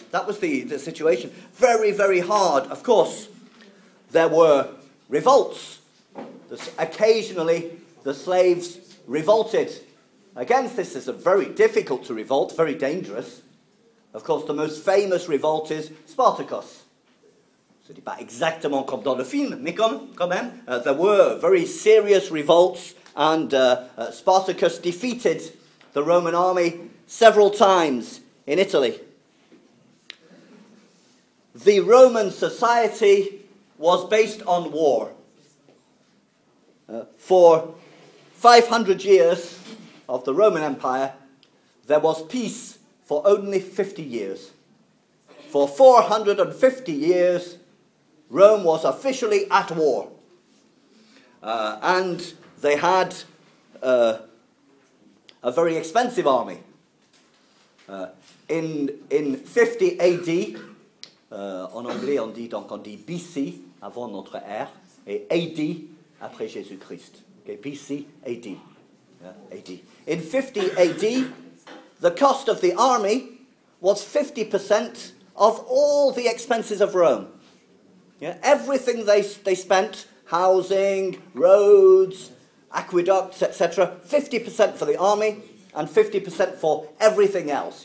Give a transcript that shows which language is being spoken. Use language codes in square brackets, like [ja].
[en] That was the situation. Very, very hard. Of course, there were revolts. Occasionally, the slaves revolted against this. It's very difficult to revolt, very dangerous. Of course, the most famous revolt is Spartacus. [fr] C'est pas exactement comme dans le film, mais quand même. [en] There were very serious revolts, and Spartacus defeated the Roman army several times in Italy. The Roman society was based on war. For 500 years of the Roman Empire, there was peace for only 50 years. For 450 years, Rome was officially at war. And they had a very expensive army. In 50 AD, [fr] en anglais on dit BC, avant notre ère, et AD, après Jésus-Christ. [en] Okay, BC, AD. Yeah, AD. In 50 AD, the cost of the army was 50% of all the expenses of Rome. Yeah, everything they spent, housing, roads, aqueducts, etc., 50% for the army and 50% for everything else.